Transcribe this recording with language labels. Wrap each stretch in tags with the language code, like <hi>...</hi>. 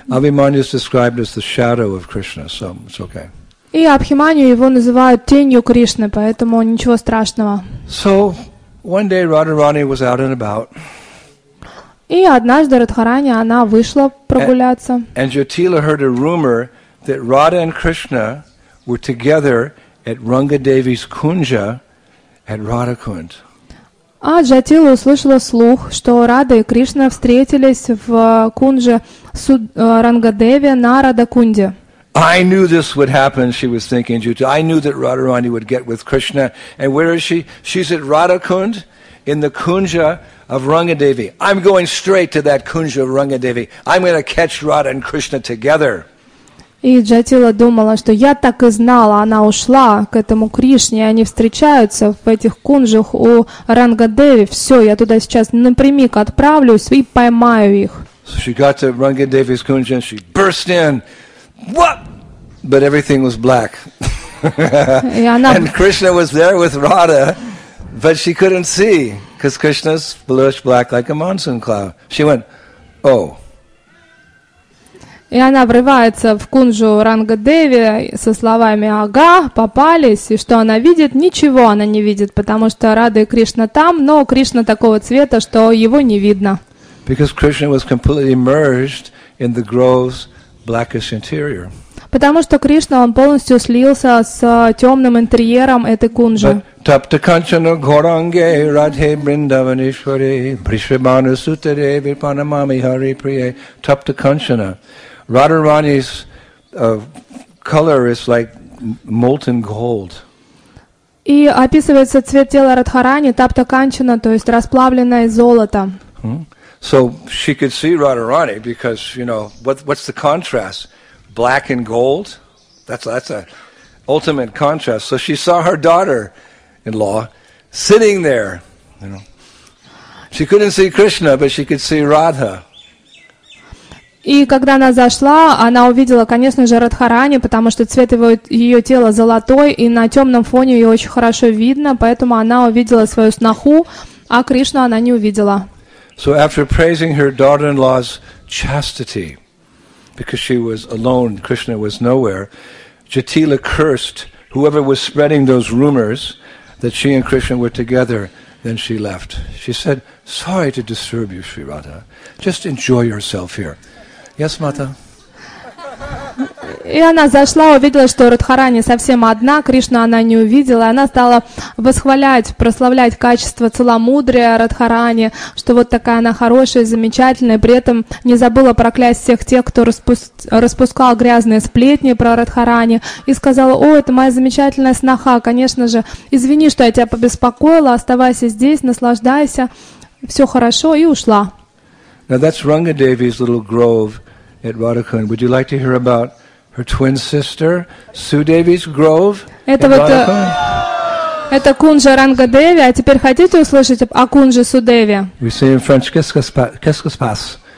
<en>Абхиманию is described as the shadow of Krishna, so it's okay.</en> <ru>И Абхиманию его называют тенью Кришны, поэтому ничего страшного.</ru> <en>So, one day Radharani was out and about.</en> <ru>И однажды Радхарани, она вышла прогуляться.</ru> <en>And Jyotila heard a rumor that Radha and Krishna were together at Ranga Devi's kunja at Radhakund.</en> <ru>А Джатила услышала слух, что Рада и Кришна встретились в кунже Рангадеви на Радакунде.</ru> <en>I knew this would happen, she was thinking, Jyotila. I knew that Radharani would get with Krishna. And where is she? She's at Radhakund in the kunja of Rangadevi. I'm going straight to that kunja of Rangadevi. I'm going to catch Radha and Krishna together.</en> <ru>И Джатила думала, что я так и знала, она ушла к этому Кришне, и они встречаются в этих кунжах у Рангадеви. Все, я туда сейчас напрямик отправлюсь и поймаю их.</ru> <en>So she got to Rangadevi's kunja, she burst in. What? But everything was black. And Krishna was there with Radha, but she couldn't see, because Krishna's bluish black like a monsoon cloud. She went, oh.</en> <ru>И она врывается в кунжу Рангадеви со словами «Ага, попались!» И что она видит? Ничего она не видит, потому что Рада и Кришна там, но Кришна такого цвета, что его не видно.</ru> <en>Because Krishna was completely merged in the grove's blackish interior.</en> <ru>Потому что Кришна, он полностью слился с темным интерьером этой кунжи.</ru> <sa>Тапта канчана горанге радхе бриндаванишвари бришвабану сутаре випанамами хари прие тапта канчана.</sa> <en>Radharani's color is like molten gold.</en> <ru>И описывается цвет тела Радхарани тапта канчана, то есть расплавленное золото.</ru> <en>So she could see Radharani because, you know, what's the contrast? Black and gold? That's a ultimate contrast. So she saw her daughter-in-law sitting there, you know. She couldn't see Krishna, but she could see Radha.</en> <ru>И когда она зашла, она увидела, конечно же, Радхарани, потому что цвет ее тела золотой, и на темном фоне ее очень хорошо видно, поэтому она увидела свою снаху, а Кришну она не увидела.</ru> <en>So after praising her daughter-in-law's chastity, because she was alone, Krishna was nowhere, Jyotila cursed whoever was spreading those rumors that she and Krishna were together, then she left. She said, sorry to disturb you, Sri Radha, just enjoy yourself here. Yes, Mata.</en> <ru>И она зашла, увидела, что Радхарани совсем одна, Кришну она не увидела, и она стала восхвалять, прославлять качество целомудрия Радхарани, что вот такая она хорошая, замечательная, при этом не забыла проклясть всех тех, кто распускал грязные сплетни про Радхарани, и сказала, о, это моя замечательная сноха, конечно же, извини, что я тебя побеспокоила, оставайся здесь, наслаждайся, все хорошо, и ушла.</ru> <en>Now that's Rangadevi's little grove at Radhakund. Would you like to hear about her twin sister, Sudevi's grove at Radhakund?</en> <ru>Это кунжа Рангадеви, а теперь хотите услышать о кунже Судеви?</ru> <en>We say in French,</en> <fr>qu'est-ce qui se passe?</fr>